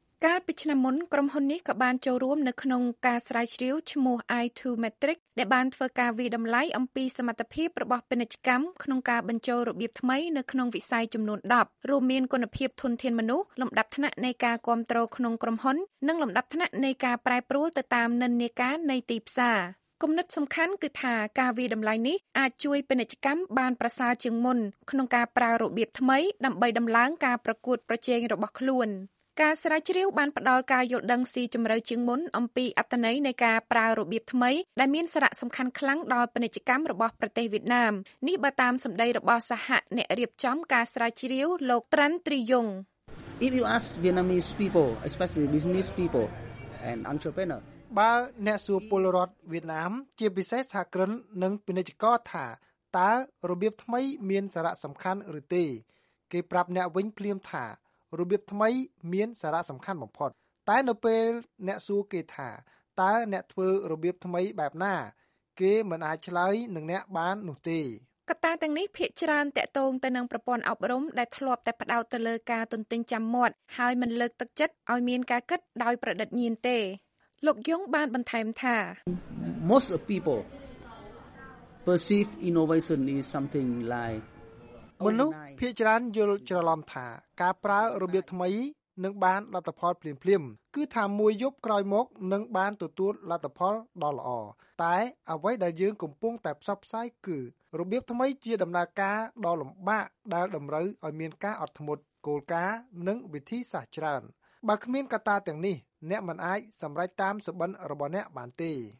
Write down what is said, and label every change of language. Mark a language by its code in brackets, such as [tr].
[km] កាលពីឆ្នាំមុនក្រុមហ៊ុននេះក៏បានចូលរួមនៅក្នុងការស្រាវជ្រាវឈ្មោះ i2metric ដែលបានធ្វើការវិដំឡៃអំពីសមត្ថភាពរបស់ពាណិជ្ជកម្មក្នុងការបញ្ចូលរបៀបថ្មីនៅក្នុងវិស័យចំនួន10រួមមានគុណភាពធនធានមនុស្សលំដាប់ថ្នាក់នៃការគ្រប់គ្រងក្នុងក្រុមហ៊ុននិងលំដាប់ថ្នាក់នៃការប្រែប្រួលទៅតាមនិន្នាការនៃទីផ្សារគំនិតសំខាន់គឺថាការវិដំឡៃនេះអាចជួយពាណិជ្ជកម្មបានប្រសើរជាងមុនក្នុងការប្រើរបៀបថ្មីដើម្បីដំឡើងការប្រកួតប្រជែងរបស់ខ្លួន ការស្រាវជ្រាវបានផ្ដល់ការយល់ដឹងស៊ីជម្រៅជាងមុនអំពីអត្ថន័យនៃការប្រើរបៀបថ្មីដែលមានសារៈសំខាន់ខ្លាំងដល់ពាណិជ្ជកម្មរបស់ប្រទេសវៀតណាមនេះបើតាមសម្ដីរបស់សហអ្នករៀបចំការស្រាវជ្រាវលោកត្រាន់ត្រីយង [en] If you ask Vietnamese people especially business people and entrepreneur [km] បើអ្នកសួរពលរដ្ឋវៀតណាមជាពិសេសសហគ្រិននិងពាណិជ្ជករថាតើរបៀបថ្មីមានសារៈសំខាន់ឬទេគេប្រាប់អ្នកវិញភ្លាមថារបៀបថ្មីមានសារៈសំខាន់បំផុតតែនៅពេលអ្នកសួរគេថាតើអ្នកធ្វើរបៀបថ្មីបែបណាគេមិនអាចឆ្លើយនឹងអ្នកបាននោះទេ កត្តាទាំងនេះភាគច្រើនតាក់ទងទៅនឹងប្រព័ន្ធអប់រំដែលធ្លាប់តែផ្ដោតទៅលើការទន្ទេញចាំមាត់ហើយមិនលើកទឹកចិត្តឲ្យមានការគិតដោយប្រឌិតញៀនទេលោកយងបានបន្ថែមថា [en] Most of people perceive innovation is something like [km] មនុស្សភាគច្រើនយល់ច្រឡំថាការប្រើរបៀបថ្មីនឹងបានលទ្ធផលភ្លាមៗគឺថាមួយយប់ក្រោយមកនឹងបានទទួលលទ្ធផលដ៏ល្អតែអ្វីដែលយើងកំពុងតែផ្សព្វផ្សាយគឺរបៀបថ្មីជាដំណើរការដ៏លំបាកដែលតម្រូវឲ្យមានការអត់ធ្មត់គោលការណ៍និងវិធីសាស្ត្រច្រើនបើគ្មានកត្តាទាំងនេះអ្នកមិនអាចសម្រេចតាមសុបិនរបស់អ្នកបានទេ